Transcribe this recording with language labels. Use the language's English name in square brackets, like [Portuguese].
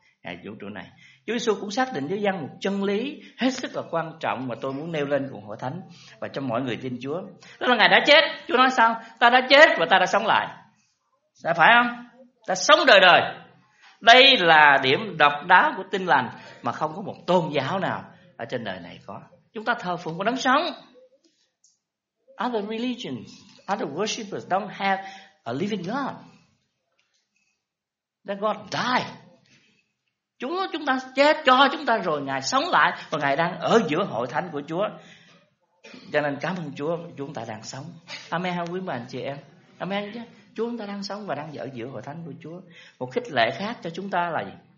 [Vietnamese] Ngài vũ trụ này, Chúa Giêsu cũng xác định với dân một chân lý hết sức là quan trọng mà tôi muốn nêu lên cùng Hội Thánh và cho mọi người tin Chúa. Đó là Ngài đã chết. Chúa nói sao? Ta đã chết và ta đã sống lại. Đã phải không? Ta sống đời đời. Đây là điểm độc đáo của tin lành mà không có một tôn giáo nào ở trên đời này có. Chúng ta thờ phượng một đấng sống. [English] Other religions, other worshippers don't have a living God. That God died. [Vietnamese] Chúa chúng ta chết cho chúng ta rồi Ngài sống lại, và Ngài đang ở giữa Hội Thánh của Chúa. Cho nên cảm ơn Chúa chúng ta đang sống. Amen hả quý bà anh chị em? Amen chứ. Chúa chúng ta đang sống và đang ở giữa Hội Thánh của Chúa. Một khích lệ khác cho chúng ta là gì?